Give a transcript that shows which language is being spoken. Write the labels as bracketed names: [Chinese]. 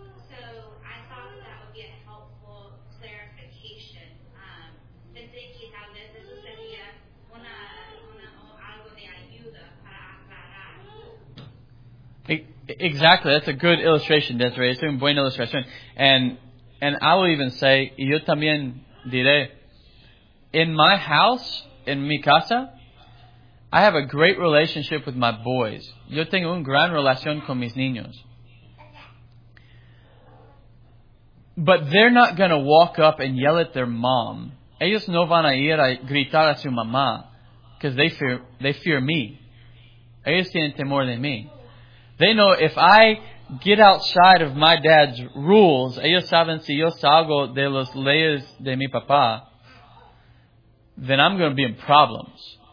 [English] So I thought that would be a helpful clarification. [Spanish] Pensé que tal vez eso sería una o algo de ayuda para aclarar. [English] Exactly, that's a good illustration, Desiree. It's a [Spanish] buen ilustración. [English] And I will even say, [Spanish] y yo también diré, [English] in my house, in [Spanish] mi casa, [English] I have a great relationship with my boys. [Spanish] Yo tengo un gran relación con mis niños. [English] But they're not going to walk up and yell at their mom. [Spanish] Ellos no van a ir a gritar a su mamá, [English] because they fear me. [Spanish] Ellos tienen temor de mí. [English] They know if I get outside of my dad's rules, [Spanish] ellos saben si yo salgo de las leyes de mi papá, [English] then I'm going to be in problems.